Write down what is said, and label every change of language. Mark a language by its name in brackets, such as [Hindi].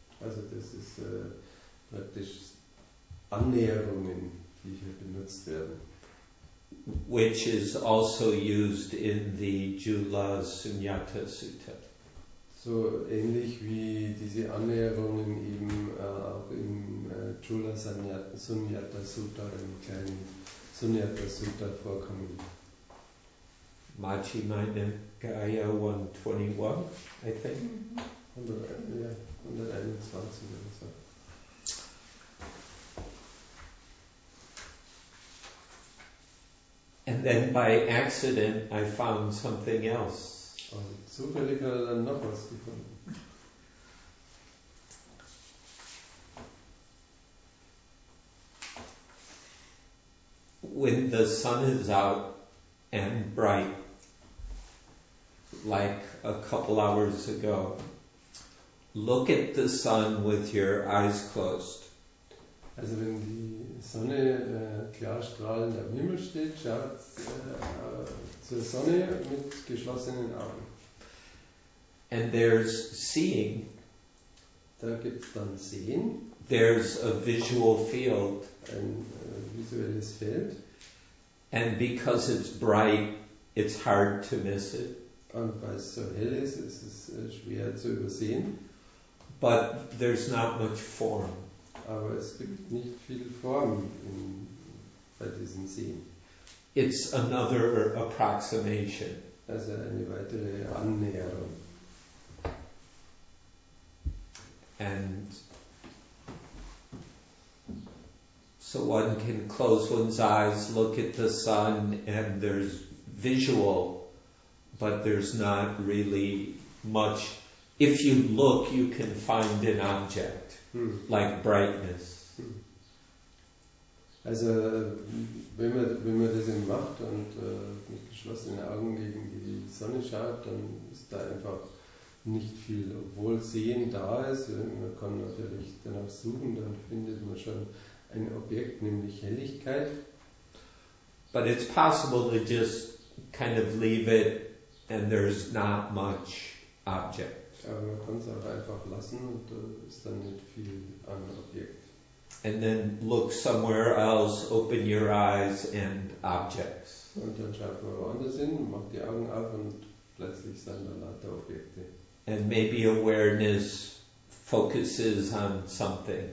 [German] Also das ist praktisch Annäherungen, die hier benutzt werden. [English] Which is also used in the Jula Sunyata Sutta. [German] So ähnlich wie diese Annäherungen eben auch im Jula Sunyata Sutta, im kleinen Sunyata Sutta vorkommen. [English] Majjhima Nikaya 121, I think. Mm-hmm. 121 or so. And then by accident I found something else. [German] Und zufällig hat er dann noch was gefunden. [English] When the sun is out and bright, like a couple hours ago, look at the sun with your eyes closed. [German] Also wenn die Sonne klar strahlend am Himmel steht, schaut zur Sonne mit geschlossenen Augen. [English] And there's seeing. [German] Da gibt's dann Sehen. [English] There's a visual field. [German] Ein visuelles Feld. [English] And because it's bright, it's hard to miss it. [German] Und weil es so hell ist, ist es schwer zu übersehen. [English] But there's not much form. [German] Aber es gibt nicht viel Form bei diesem Sehen. [English] It's another approximation. [German] Also eine weitere Annäherung. [English] And so one can close one's eyes, look at the sun, and there's visual, but there's not really much. If you look, you can find an object. Like brightness. [German] Also wenn man das eben macht und mit geschlossenen Augen gegen die Sonne schaut, dann ist da einfach nicht viel, obwohl Sehen da ist. Man kann natürlich danach suchen, dann findet man schon ein Objekt, nämlich Helligkeit. [English] But it's possible to just kind of leave it and there's not much object. [German] Aber man kann es auch einfach lassen und da ist dann nicht viel an Objekt. [English] And then look somewhere else, open your eyes and objects. [German] Und dann schaut man woanders hin, macht die Augen auf und plötzlich sind dann lauter Objekte. [English] And maybe awareness focuses on something.